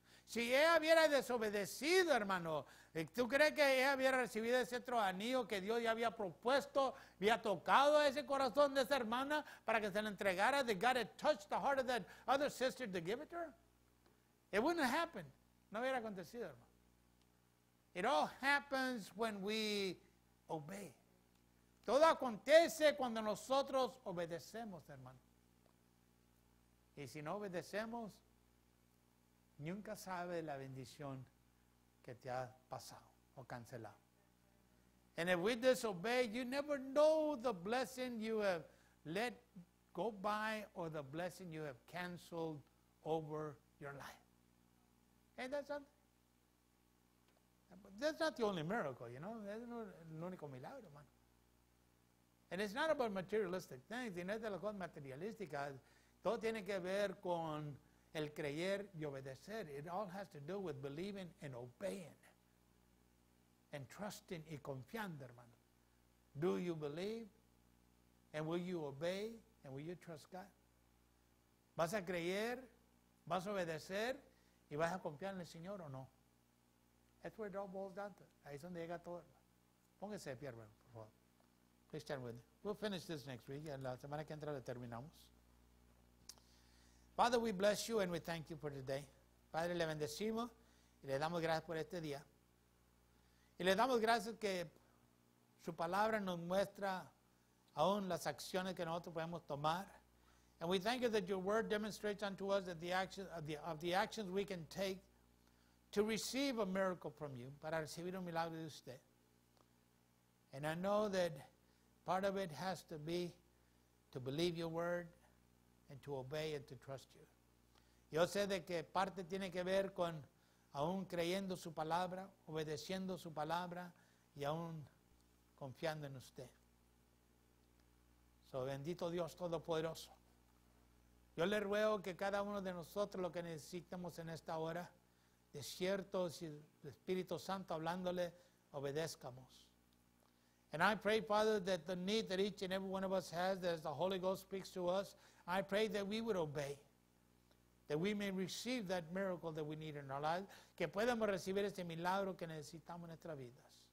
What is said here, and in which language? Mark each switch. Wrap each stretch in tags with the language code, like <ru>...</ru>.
<es>Si ella hubiera desobedecido, hermano, ¿tú crees que ella hubiera recibido ese otro anillo que Dios ya había propuesto, había tocado ese corazón de esa hermana para que se le entregara?</es> <en>That God had touched the heart of that other sister to give it to her. It wouldn't have happened.</en> <es>No hubiera acontecido, hermano.</es> <en>It all happens when we obey.</en> <es>Todo acontece cuando nosotros obedecemos, hermano. Y si no obedecemos, nunca sabe la bendición que te ha pasado o cancelado.</es> <en>And if we disobey, you never know the blessing you have let go by or the blessing you have canceled over your life. And that's not the only miracle, you know.</en> <es>Es el único milagro, hermano.</es> <en>And it's not about materialistic things.</en> <es>Y no es de las cosas materialísticas. Todo tiene que ver con el creer y obedecer.</es> <en>It all has to do with believing and obeying. And trusting</en> <es>y confiando, hermano.</es> <en>Do you believe? And will you obey? And will you trust God?</en> <es>¿Vas a creer? ¿Vas a obedecer? ¿Y vas a confiar en el Señor o no?</es> <en>That's where it all boils down to.</en> <es>Ahí es donde llega todo, hermano. Póngase de pie, hermano, por favor.</es> <en>Please stand with me. We'll finish this next week.</en> <es>En la semana que entra le terminamos.</es> <en>Father, we bless you and we thank you for today.</en> <es>Padre, le bendecimos y le damos gracias por este día. Y le damos gracias que su palabra nos muestra aún las acciones que nosotros podemos tomar.</es> <en>And we thank you that your word demonstrates unto us that the actions we can take to receive a miracle from you,</en> <es>para recibir un milagro de usted.</es> <en>And I know that part of it has to be to believe your word and to obey and to trust you.</en> <es>Yo sé de que parte tiene que ver con aún creyendo su palabra, obedeciendo su palabra y aún confiando en usted. So bendito Dios Todopoderoso. Yo le ruego que cada uno de nosotros lo que necesitamos en esta hora, de cierto, si el Espíritu Santo hablándole, obedezcamos.</es> <en>And I pray, Father, that the need that each and every one of us has, that as the Holy Ghost speaks to us, I pray that we would obey, that we may receive that miracle that we need in our lives,</en> <es>que podamos recibir ese milagro que necesitamos en nuestras vidas.</es>